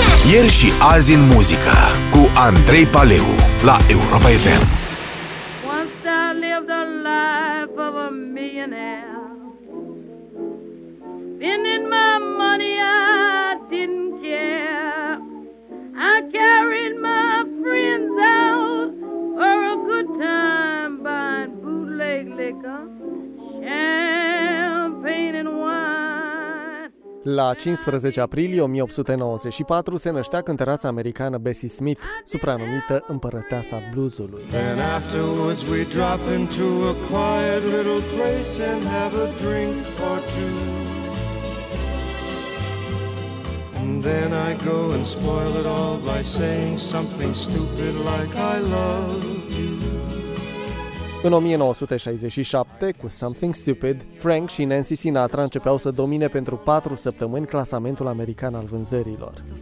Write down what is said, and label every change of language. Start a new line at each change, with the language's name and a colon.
Romanian: Ieri și azi în muzică cu Andrei Paleu la Europa FM.
English: Once I lived a life of a millionaire, spending my money I didn't care. I carried my friends out for a good time, buying bootleg liquor, champagne and wine.
Romanian: La 15 aprilie 1894 se năștea cântăreața americană Bessie Smith, supranumită împărăteasa bluesului.
English: And afterwards we drop into a quiet little place and have a drink or two. And then I go and spoil it all by saying something stupid like I love you.
Romanian: În 1967, cu Something Stupid, Frank și Nancy Sinatra începeau să domine pentru 4 săptămâni clasamentul american al vânzărilor.